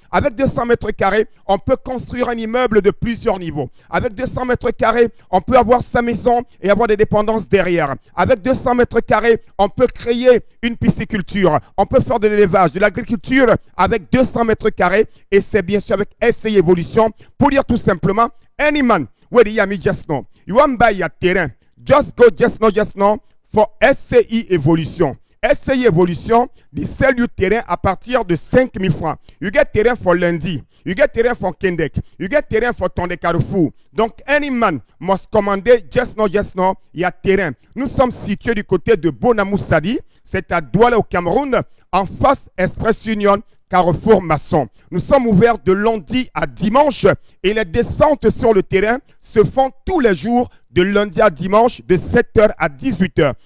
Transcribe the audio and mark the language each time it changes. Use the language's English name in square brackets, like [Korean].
[French] Avec 200 mètres carrés, on peut construire un immeuble de plusieurs niveaux. Avec 200 mètres carrés, on peut avoir sa maison et avoir des dépendances derrière. Avec 200 mètres carrés, on peut créer une pisciculture. On peut faire de l'élevage, de l'agriculture avec 200 mètres carrés. Et c'est bien sûr avec SCI Évolution pour dire tout simplement [Cameroon Pidgin] any man where you hear me just now, you want buy your terrain, just go just now for SCI Evolution. SCI Evolution, they sell you terrain [French] à partir de 5000 francs. [Cameroon Pidgin] You get terrain for lundi, you get terrain for Kendek, you get terrain for Tonde Carrefour. Donc, any man must commander just now, your terrain. [French] Nous sommes situés du côté de Bonamou Sadi, c'est à Douala au Cameroun, en face Express Union Carrefour Maçon. Nous sommes ouverts de lundi à dimanche et les descentes sur le terrain se font tous les jours de lundi à dimanche de 7h à 18h.